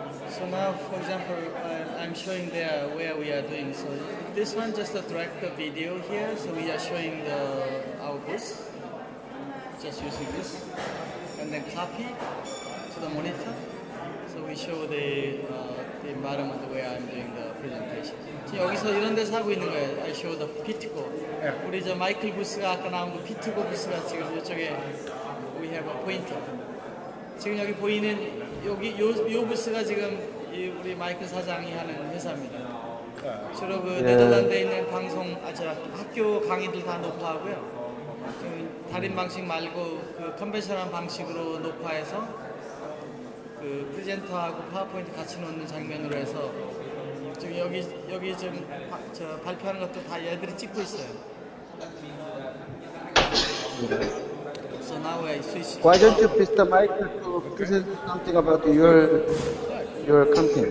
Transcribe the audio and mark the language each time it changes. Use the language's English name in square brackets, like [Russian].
[English] So now, for example, I'm showing there where we are doing. So this one just attract the video here. So we are showing the our booth, just using this, and then copy to the monitor. So we show the environment where I'm doing the presentation. [Korean] 여기서 이런 데서 하고 있는 거예요. [English] I show the Pitco. Yeah. [Korean] 우리 저 마이클 부스가 아까 나온 그 피트코 부스가 지금 이쪽에 [English] we have a pointer. [Korean] 지금 여기 보이는 여기 요 부스가 지금 이 우리 마이클 사장이 하는 회사입니다. 주로 그 네덜란드에 있는 방송 아저 학교 강의들 다 녹화하고요. 다른 방식 말고 그 컨벤셔널한 방식으로 녹화해서 그 프레젠터하고 파워포인트 같이 놓는 장면으로 해서 지금 여기 지금 저 발표하는 것도 다 얘들이 찍고 있어요. 그래서 나와 있을 수 있어. [English] Why don't you please the mic to present something about your company?